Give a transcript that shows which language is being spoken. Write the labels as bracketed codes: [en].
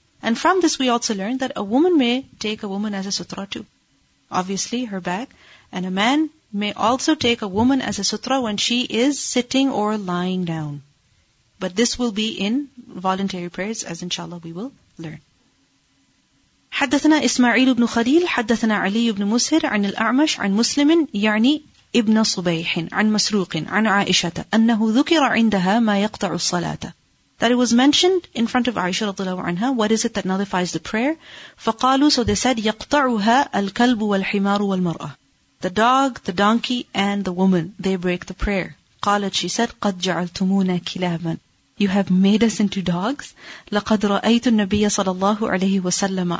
[en] And from this we also learn that a woman may take a woman as a sutra too. Obviously, her back. And a man may also take a woman as a sutra when she is sitting or lying down. But this will be in voluntary prayers, as inshallah we will learn. [ar] حدثنا إسماعيل بن خليل حدثنا علي بن مسهر عن الأعمش عن مسلم يعني ابن صبيح عن مسروق عن عائشة أنه ذكر عندها ما يقطع الصلاة. [en] That it was mentioned in front of Aisha radhiyallahu anha, what is it that nullifies the prayer? [ar] فقالوا, [en] so they said, [ar] يقطعها الكلب والحمار والمرأة. [en] The dog, the donkey, and the woman, they break the prayer. [ar] قالت, [en] she said, [ar] قد جعلتمونا كلابا. [en] You have made us into dogs. [ar] لقد رأيت النبي صلى الله عليه وسلم.